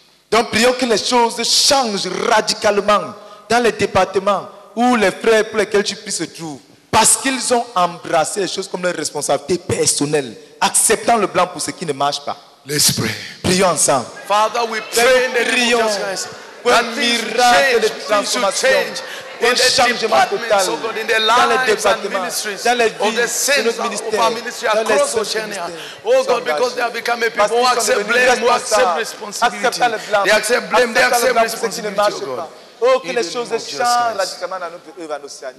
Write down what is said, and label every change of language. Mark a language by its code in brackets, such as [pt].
[fr] Donc prions que les choses changent radicalement dans les départements où les frères pour lesquels tu pries se trouvent. Parce qu'ils ont embrassé les choses comme leur responsabilité personnelle. Acceptant le blâme pour ce qui ne marche pas. [en] Let's pray. [fr] Prions ensemble. [en] Father, we pray in the name of Jesus Christ. That miracle things should change. In the departments, oh God, in the lives and ministries of the saints of our ministry across Oceania. Oh God, because they have become a people who accept blame, who accept responsibility. They accept blame, they accept responsibility, oh God. [fr] Oh, que les choses changent radicalement dans notre œuvre en Océanie.